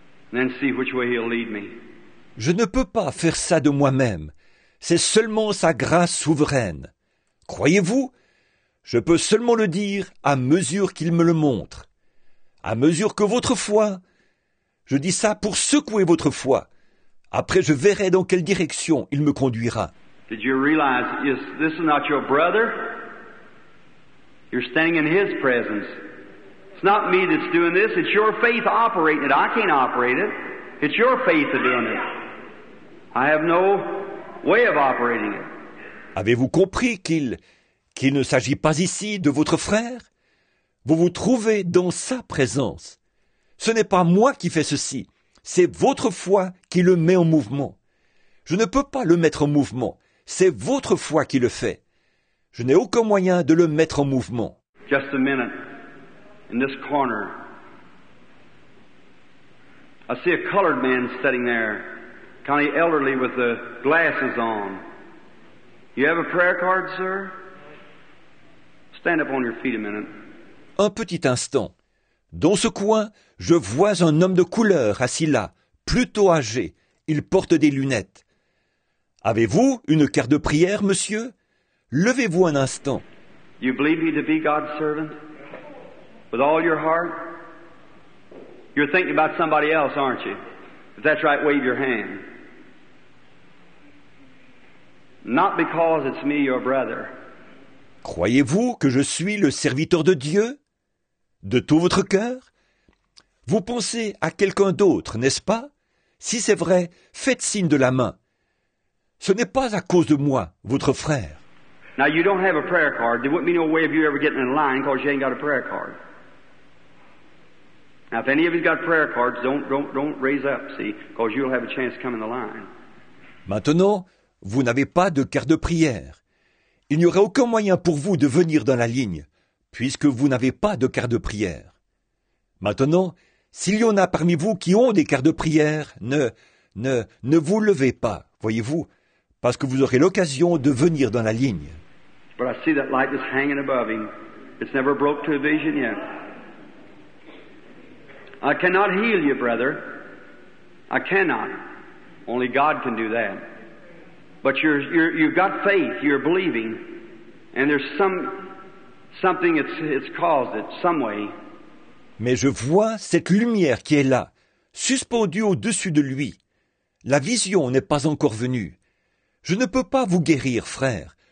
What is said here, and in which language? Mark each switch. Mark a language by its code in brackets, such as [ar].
[en] And then see which way He'll lead me. [fr] Je ne peux pas faire ça de moi-même. C'est seulement sa grâce souveraine. Croyez-vous? Je peux seulement le dire à mesure qu'il me le montre. À mesure que votre foi... Je dis ça pour secouer votre foi. Après, je verrai dans quelle direction il me conduira. [en] Did you realize, this is not your brother? You're standing in His presence. It's not me that's doing this. It's your faith operating it. I can't operate it. It's your faith that's doing it. I have no way of operating it. [fr] Avez-vous compris qu'il ne s'agit pas ici de votre frère? Vous vous trouvez dans sa présence. Ce n'est pas moi qui fais ceci. C'est votre foi qui le met en mouvement. Je ne peux pas le mettre en mouvement. C'est votre foi qui le fait. Je n'ai aucun moyen de le mettre en mouvement. [en] Just a minute. In this corner. I see a colored man sitting there, kind of elderly with the glasses on. You have a prayer card, sir? Stand up on your feet a minute. [fr] Un petit instant. Dans ce coin, je vois un homme de couleur assis là, plutôt âgé. Il porte des lunettes. Avez-vous une carte de prière, monsieur? Levez-vous un instant. [en] You believe me to be God's servant? With all your heart? You're thinking about somebody else, aren't you? If that's right, wave your hand. Not because it's me, your brother. [fr] Croyez-vous que je suis le serviteur de Dieu? De tout votre cœur? Vous pensez à quelqu'un d'autre, n'est-ce pas? Si c'est vrai, faites signe de la main. Ce n'est pas à cause de moi, votre frère. [en] Now you don't have a prayer card. There wouldn't be no way of you ever getting in line because you ain't got a prayer card. Now, if any of you got prayer cards, don't raise up, see, because you'll have a chance to come in the line. [fr] Maintenant, vous n'avez pas de carte de prière. Il n'y aurait aucun moyen pour vous de venir dans la ligne, puisque vous n'avez pas de carte de prière. Maintenant, s'il y en a parmi vous qui ont des cartes de prière, ne vous levez pas, voyez-vous, parce que vous aurez l'occasion de venir dans la ligne. [en] But I see that light is hanging above him. It's never broke to a vision yet. I cannot heal you, brother. I cannot. Only God can do that. But you've got faith. You're believing, and there's something it's caused it some way. [fr] Mais je vois cette lumière qui est là, suspendue au-dessus de lui. La vision n'est pas encore venue. Je ne peux pas vous guérir, frère.